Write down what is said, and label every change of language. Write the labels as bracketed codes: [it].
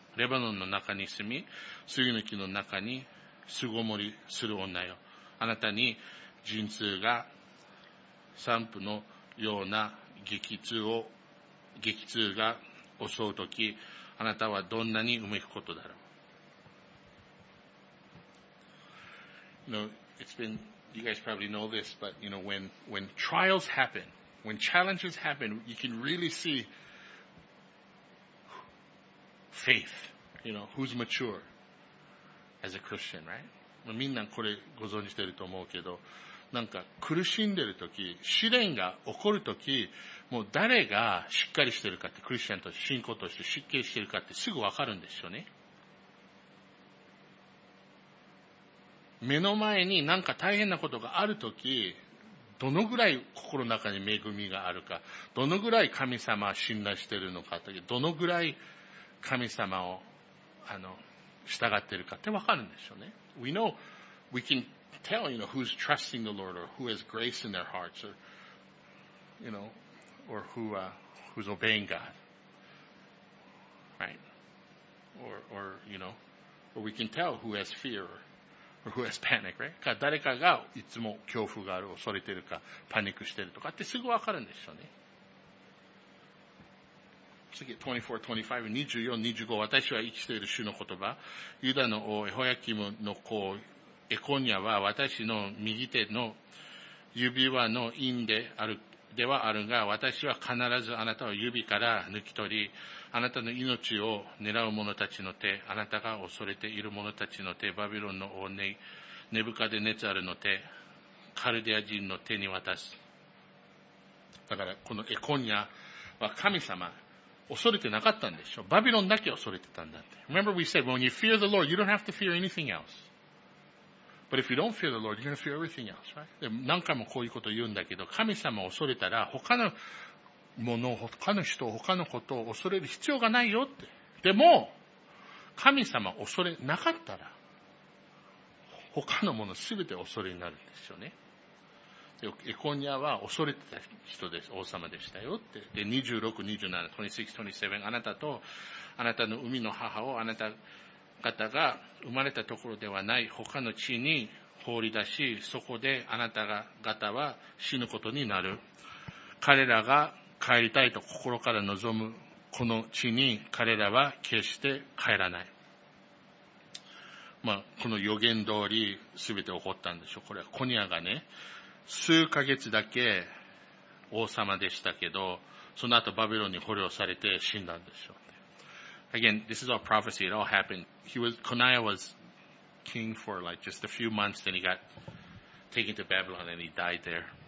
[ja] レバノンの中に住み、杉の木の中に巣ごもりする女よ。あなたに陣痛が散布のような激痛が襲うとき、あなたはどんなにうめくことだろう。 [en] You know, you guys probably know this, but you know, when trials happen, when challenges happen, you can really see faith. You know, who's mature as a Christian, right? [ja] みんなこれご存じてると思うけど、なんか苦しんでるとき、試練が起こるとき、もう誰がしっかりしてるかって、クリスチャンとして信仰としてしっかりしてるかってすぐわかるんですよね。目の前になんか大変なことがあるとき、どのぐらい心の中に恵みがあるか、どのぐらい神様を信頼してるのかって、どのぐらい神様をあの、従ってるかってわかるんでしょうね。 [en] We know, we can tell, you know, who's trusting the Lord or who has grace in their hearts or, you know, or who, who's obeying God. Right? Or, you know, We can tell who has fear or who has panic, right? [ja] か誰かがいつも恐怖がある、恐れてるか、パニックしてるとかってすぐわかるんですよね。次、24、25、私は生きている主の言葉。ユダの王、エホヤキムの子、エコニアは私の右手の指輪の印である、ではあるが、私は必ずあなたを指から抜き取り、あなたの命を狙う者たちの手、あなたが恐れている者たちの手、バビロンの王ネ、ネブカデネツァルの手、カルデア人の手に渡す。だから、このエコニアは神様、恐れてなかったんでしょ。バビロンだけ恐れてたんだって。 [en] Remember we said, when you fear the Lord, you don't have to fear anything else. But if you don't fear the Lord, you're going to fear everything else, right? [ja] で何回もこういうこと言うんだけど、神様を恐れたら、他のもの、他の人、他のことを恐れる必要がないよって。でも、神様を恐れなかったら、他のものすべて恐れになるんですよね。エコニアは恐れてた人です。王様でしたよって。で、26、27、26、27、あなたと、あなたの海の母をあなた方が生まれたところではない他の地に放り出し、そこであなた方は死ぬことになる。彼らが帰りたいと心から望むこの地に彼らは決して帰らない。まあ、この予言通り全て起こったんでしょう。これはコニアがね、数ヶ月だけ王様でしたけど、その後バビロンに捕虜されて死んだんでしょう。 [en] Again, this is all prophecy. It all happened. Coniah was king for like just a few months, then he got taken to Babylon and he died there.